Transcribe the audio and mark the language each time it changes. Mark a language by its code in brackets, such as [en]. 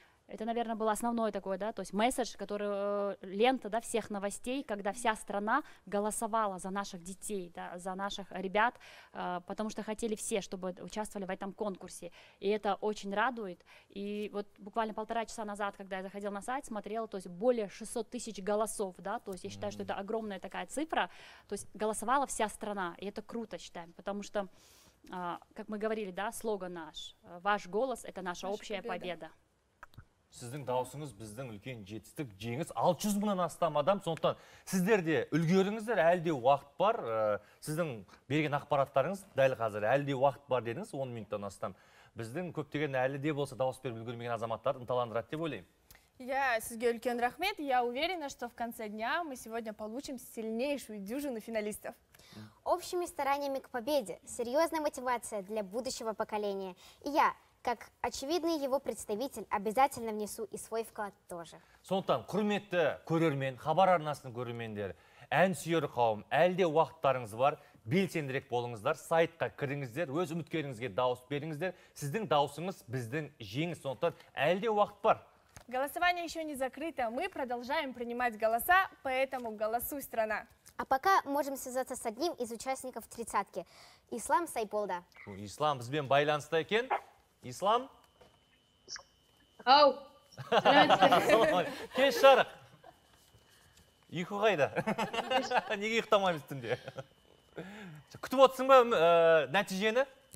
[ru] это, наверное, было основное такое, да, то есть месседж, который, лента, да, всех новостей, когда вся страна голосовала за наших детей, да, за наших ребят, потому что хотели все, чтобы участвовали в этом конкурсе, и это очень радует, и вот буквально полтора часа назад, когда я заходила на сайт, смотрела, то есть более 600 тысяч голосов, да, то есть я считаю, что это огромная такая цифра, то есть голосовала вся страна, и это круто, считаем, потому что, как мы говорили, да, слоган наш, ваш голос – это наша общая победа. [kk] Сіздің даусыңыз біздің үлкен жетістік жеңіс. 600 мыңнан астам адам. Сондықтан сіздер де үлгеріңіздер, әлі де уақыт бар. Сіздің берген ақпараттарыңыз дәл қазір әлі де уақыт бар дедіңіз 10 минуттан астам. Біздің көптеген әлі де болса дауыс беріп үлгермеген азаматтар ынталандырады деп ойлаймын. Я сізге үлкен рахмет. [ru] Я уверена, что в конце дня мы сегодня получим сильнейшую дюжину финалистов. Общими стараниями к победе, серьезная мотивация для будущего поколения. И я, как очевидный его представитель, обязательно внесу и свой вклад тоже. [kk] Сондықтан, құрметті көрермен, Хабар арнасының көрермендері, ән сүйер қауым, әлде уақыттарыңыз бар, белсендірек болыңыздар, сайтқа кіріңіздер, өз үміткеріңізге дауыс беріңіздер, сіздің дауысыңыз біздің жеңіс, сондықтан, әлде уақыт бар. [ru] Голосование еще не закрыто, мы продолжаем принимать голоса, поэтому голосуй, страна. А пока можем связаться с одним из участников тридцатки, Ислам Сайполда. [kk] Ислам, бізбен байланыста екен. Ислам? Ау! Кеш шарық! Ихо қайда? Неге ұйықтамаймыз түнде? Күтіп отырсың ба нәтижені?